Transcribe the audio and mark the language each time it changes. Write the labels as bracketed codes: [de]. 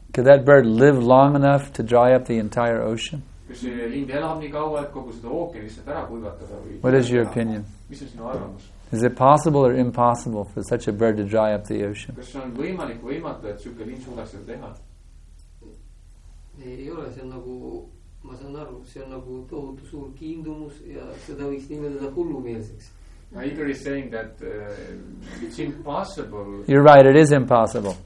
[en] Could that bird live long enough to dry up the entire ocean? [et] Kas see linn elab nii kaua, et kogu seda ookeani lihtsalt ära kuivatada? Või [en] what is your opinion? [et] Mis on sinu arvamus? [en] Is it possible or impossible for such a bird to dry up the ocean? [et] Kas on võimalik või võimatu, et siuke linn suudaks seda teha? Ei ole, see on nagu, ma saan aru, see on nagu tohutu suur kiindumus ja seda võiks nimetada hullumeelseks. [en] Igor is saying that it's impossible. You're right, it is impossible.